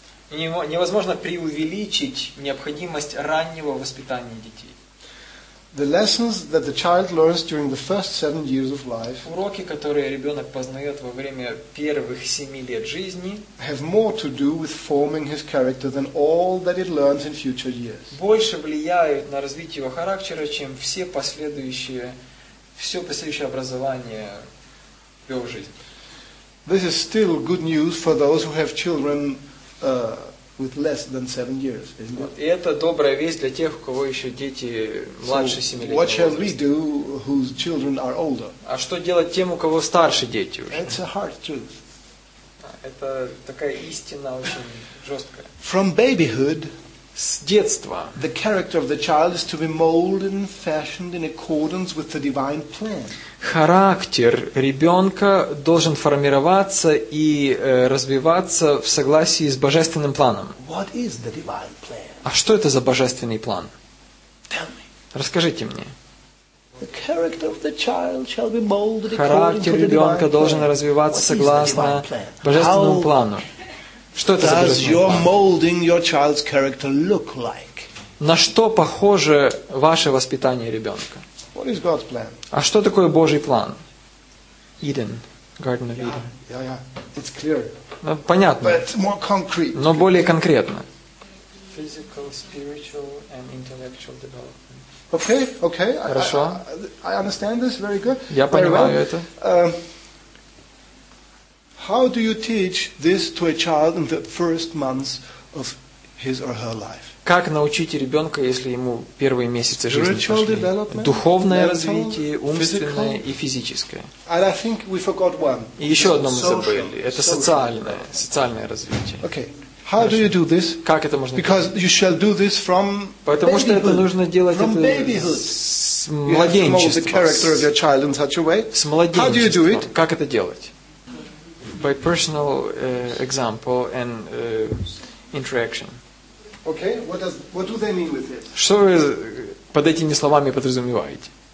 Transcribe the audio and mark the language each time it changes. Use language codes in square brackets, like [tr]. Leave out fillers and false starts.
[ru] Невозможно преувеличить необходимость раннего воспитания детей. [en] The lessons that the child learns during the first 7 years of life. [ru] Уроки, которые ребенок познает во время первых 7 лет жизни. [en] Have more to do with forming his character than all that it learns in future years. [ru] Больше влияют на развитие его характера, чем все последующее образование в его жизни. [en] This is still good news for those who have children. With less than 7 years, isn't it? [ru] И это добрая весть для тех, у кого еще дети младше 7 лет. [en] What shall we do whose children are older? [ru] А что делать тем, у кого старше дети уже? [en] It's a hard truth. [ru] Это такая истина очень жесткая. [en] From babyhood, [ru] с детства, [en] the character of the child is to be molded and fashioned in accordance with the divine plan. [ru] Характер ребенка должен формироваться и развиваться в согласии с божественным планом. [en] What is the divine plan? [ru] А что это за божественный план? [en] Tell me. [ru] Расскажите мне. [en] The character of the child shall be molded. [ru] Характер ребенка должен развиваться согласно божественному плану. Что это за [en] Does your molding your child's character look like? [ru] На что похоже ваше воспитание ребенка? [en] What is God's plan? [ru] А что такое Божий план? [en] Eden, Garden of Eden. Yeah. It's clear. [ru] Ну, понятно. [en] But more concrete. [ru] Но более конкретно. [en] Physical, spiritual, and intellectual development. Okay. [ru] Хорошо. [en] I understand this very good. [ru] Я понимаю это. [en] How do you teach this to a child in the first months of his or her life? [ru] Как научить ребенка, если ему первые месяцы жизни прошли? Духовное развитие, умственное и физическое. [en] And I think we forgot one. [ru] И еще одно мы забыли. Это социальное развитие. [en] Okay. How do you do this? [ru] Как это можно? [en] Because you shall do this from [ru] Потому что это нужно делать это с младенчества. [en] Mold the character of your child in such a way. [ru] С младенчества. [en] How do you do it? [ru] Как это делать? [en] By personal example and interaction. Okay, what do they mean with it? [ru] Что вы под этими словами подразумеваете?